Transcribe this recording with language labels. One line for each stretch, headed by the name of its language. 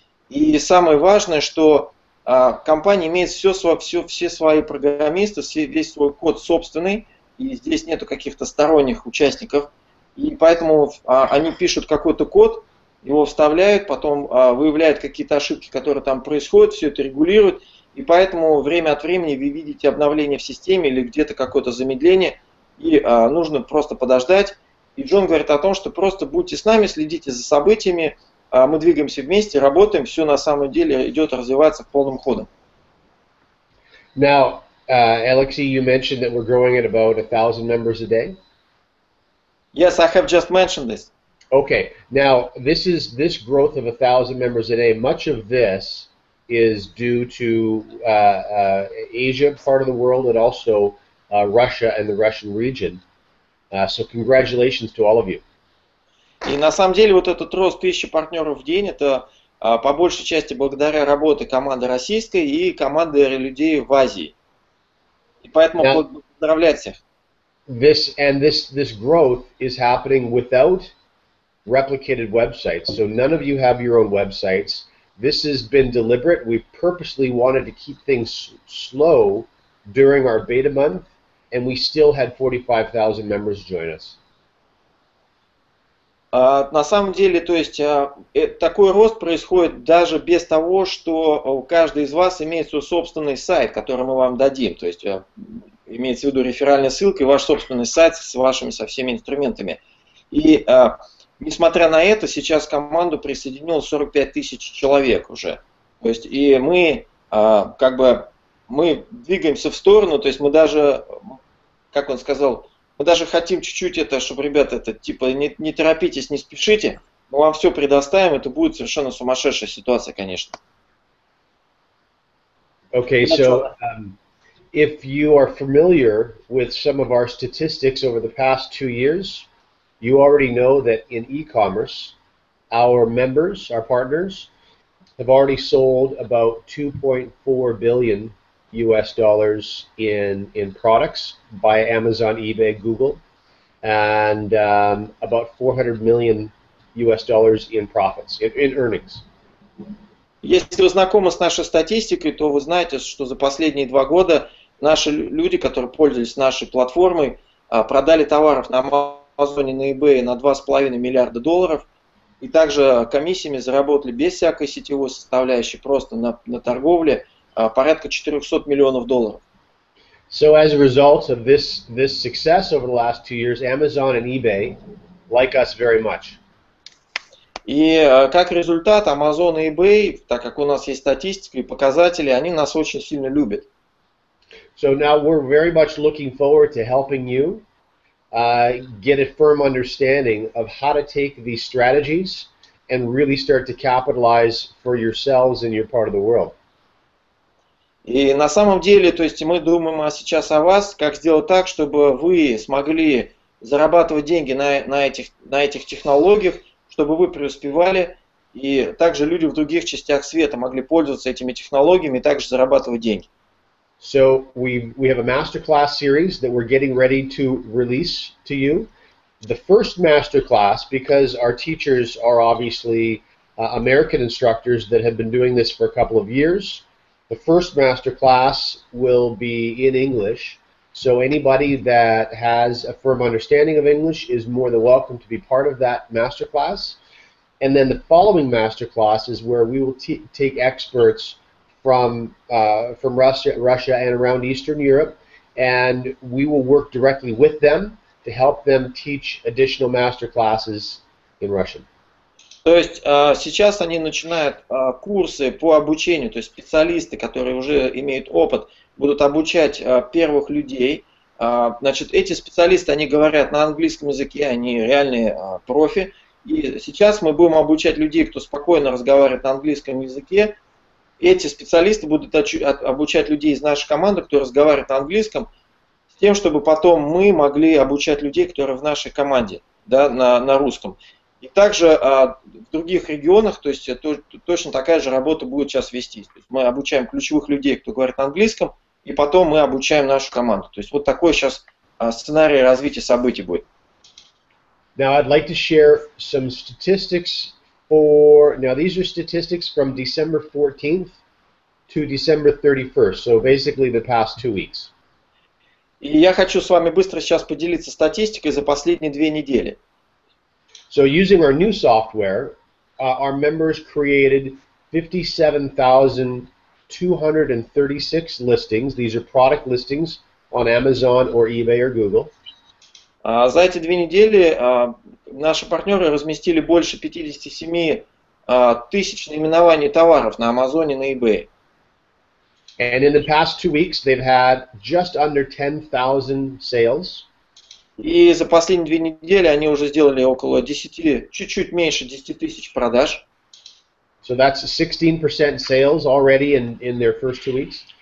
Russian: И самое важное, что компания имеет все свои программисты, весь свой код собственный, и здесь нету каких-то сторонних участников, и поэтому они пишут какой-то код, его вставляют, потом выявляют какие-то ошибки, которые там происходят, все это регулируют, и поэтому время от времени вы видите обновление в системе или где-то какое-то замедление, и нужно просто подождать. И Джон говорит о том, что просто будьте с нами, следите за событиями. Мы двигаемся вместе, работаем, все на самом деле идет развиваться полным ходом.
English: Now, Alexey, you mentioned that we're growing at about 1,000 members a day. Yes, I have just mentioned this. Okay. Now, this growth of 1,000 members a day, much of this is due to Asia, part of the world, and also Russia and the Russian region. So congratulations to all of you.
Russian: И на самом деле вот этот рост 1000 партнеров в день, это по большей части благодаря работе команды российской и команды людей в Азии. И поэтому поздравляю всех.
English: This growth is happening without replicated websites. So none of you have your own websites. This has been deliberate. We purposely wanted to keep things slow during our beta month, and we still had 45,000 members join us.
Russian: На самом деле, то есть такой рост происходит даже без того, что каждый из вас имеет свой собственный сайт, который мы вам дадим. То есть имеется в виду реферальная ссылка и ваш собственный сайт с вашими со всеми инструментами. И несмотря на это, сейчас команду присоединило 45 тысяч человек уже. То есть и мы как бы мы двигаемся в сторону, то есть мы даже, как он сказал, мы даже хотим чуть-чуть это, чтобы, ребята, это типа не торопитесь, не спешите, мы вам все предоставим, это будет совершенно сумасшедшая ситуация, конечно.
English: Okay, so if you are familiar with some of our statistics over the past 2 years, you already know that in e-commerce, our members, our partners, have already sold about $2.4 billion in products by Amazon, eBay, Google, and about $400 million in profits, in earnings.
Russian: Если вы знакомы с нашей статистикой, то вы знаете, что за последние два года наши люди, которые пользовались нашей платформой, продали товаров на Амазоне, на eBay на $2.5 billion, и также комиссиями заработали без всякой сетевой составляющей, просто на торговле, порядка $400 million.
English: So as a result of this success over the last 2 years, Amazon and eBay like us very much.
Russian: И как результат, Amazon и eBay, так как у нас есть статистика и показатели, они нас очень сильно любят.
English: So now we're very much looking forward to helping you get a firm understanding of how to take these strategies and really start to capitalize for yourselves and your part of the world.
Russian: И на самом деле, то есть мы думаем сейчас о вас, как сделать так, чтобы вы смогли зарабатывать деньги на этих технологиях, чтобы вы преуспевали, и также люди в других частях света могли пользоваться этими технологиями и также зарабатывать деньги.
English: So we have a masterclass series that we're getting ready to release to you. The first masterclass, because our teachers are obviously American instructors that have been doing this for a couple of years. The first masterclass will be in English, so anybody that has a firm understanding of English is more than welcome to be part of that masterclass. And then the following masterclass is where we will take experts from Russia and around Eastern Europe, and we will work directly with them to help them teach additional masterclasses in Russian.
Russian: То есть сейчас они начинают курсы по обучению, то есть специалисты, которые уже имеют опыт, будут обучать первых людей. Значит, эти специалисты, они говорят на английском языке, они реальные профи. И сейчас мы будем обучать людей, кто спокойно разговаривает на английском языке. Эти специалисты будут обучать людей из нашей команды, кто разговаривает на английском, с тем, чтобы потом мы могли обучать людей, которые в нашей команде, да, на русском. И также в других регионах, то есть точно такая же работа будет сейчас вестись. То есть мы обучаем ключевых людей, кто говорит на английском, и потом мы обучаем нашу команду. То есть вот такой сейчас сценарий развития событий будет.
English: Now I'd like to share some statistics for... Now these are statistics from December 14th to December 31st, so basically the past 2 weeks.
Russian: И я хочу с вами быстро сейчас поделиться статистикой за последние две недели.
English: So using our new software, our members created 57,236 listings. These are product listings on Amazon or eBay or Google.
Russian: За эти две недели наши партнеры разместили больше 57 тысяч наименований товаров на Амазоне, на eBay.
English: And in the past 2 weeks, they've had just under 10,000 sales.
Russian: И за последние две недели они уже сделали около 10, чуть-чуть меньше 10 тысяч продаж.
English: So that's 16% sales already in their first 2 weeks.